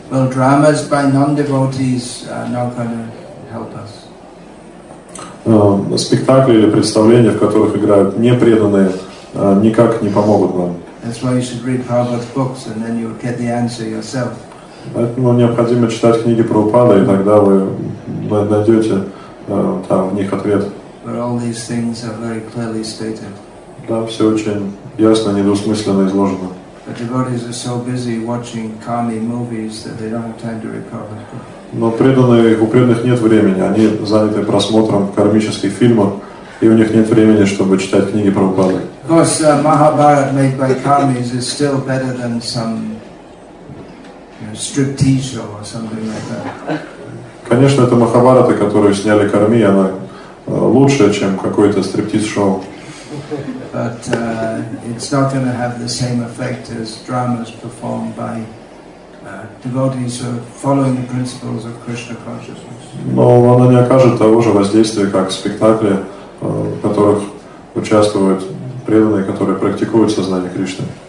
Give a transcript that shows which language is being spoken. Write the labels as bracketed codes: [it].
[en] Dramas by non-devotees are not going to help us. [ru] Спектакли или представления, в которых играют непреданные, никак не помогут нам. [en] That's why you should read Prabhupada's books, and then you'll get the answer yourself. [ru] Поэтому необходимо читать книги Прабхупады, и тогда вы найдете там в них ответ. [en] But all these things are very clearly stated. [ru] Да, все очень ясно, недвусмысленно изложено. [en] But devotees are so busy watching kami movies that they don't have time to read Prabhupada's book. [ru] Но преданные, у преданных нет времени. Они заняты просмотром кармических фильмов, и у них нет времени, чтобы читать книги Прабхупады. [en] Of course, Mahabharata made by kamis is still better than some, you know, striptease show or something like that. [ru] Конечно, это Махабхарата, которую сняли Карми, она лучше, чем какое-то стриптиз-шоу. [en] But it's not going to have the same effect as dramas performed by devotees who are following the principles of Krishna consciousness. [ru] Но она не окажет того же воздействия, как спектакли, в которых участвуют преданные, которые практикуют сознание Кришны.